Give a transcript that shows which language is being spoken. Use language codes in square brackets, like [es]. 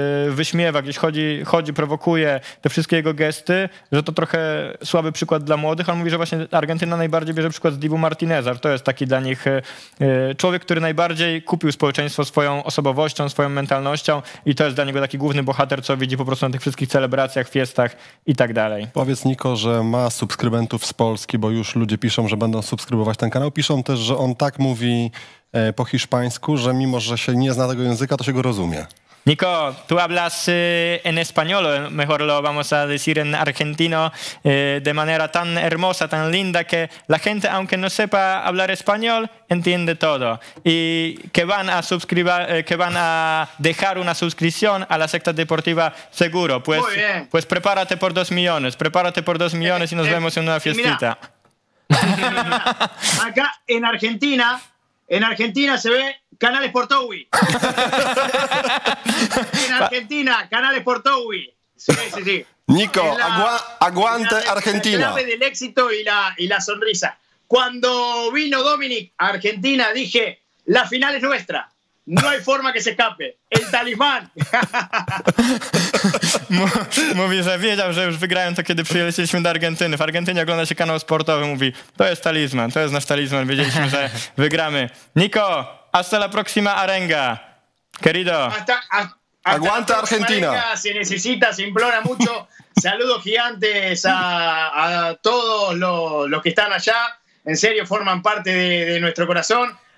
[pl] wyśmiewa, gdzieś chodzi, prowokuje te wszystkie jego gesty, że to trochę słaby przykład dla młodych. On mówi, że właśnie Argentyna najbardziej bierze przykład z Dibu Martineza, że to jest taki dla nich człowiek, który najbardziej kupił społeczeństwo swoją osobowością, swoją mentalnością i to jest dla niego taki główny bohater, co widzi po prostu na tych wszystkich celebracjach, fiestach i tak dalej. Powiedz Niko, że ma subskrybentów z Polski, bo już ludzie piszą, że będą subskrybować ten kanał. Piszą też, że on tak mówi po hiszpańsku, że mimo, że się nie zna tego języka, to się go rozumie. [es] Niko, tu hablas en español, mejor lo vamos a decir en argentino, de manera tan hermosa, tan linda, que la gente, aunque no sepa hablar español, entiende todo. Y que van a suscribir, que van a dejar una suscripción a la secta deportiva, seguro. Pues, muy bien. Pues prepárate por 2 millones, prepárate por 2 millones y nos vemos en una fiestita. Mira. Acá en Argentina... En Argentina se ve Canal Sport Uy. En Argentina, Canal Sport Uy. Sí. Nico, aguante Argentina. La clave del éxito y la sonrisa. Cuando vino Dominic a Argentina, dije, la final es nuestra. No hay forma que se escape. El talismán. [pl] Mówi, że wiedział, że już wygrałem to, kiedy przyjechaliśmy do Argentyny. W Argentynie ogląda się kanał sportowy, mówi, to jest talizman, to jest nasz talizman, wiedzieliśmy, że wygramy. [es] Niko, hasta la próxima arenga, querido. Aguanta Argentina. Se necesita, se implora mucho. Saludos gigantes a todos los que están allá. En serio, forman parte de nuestro corazón.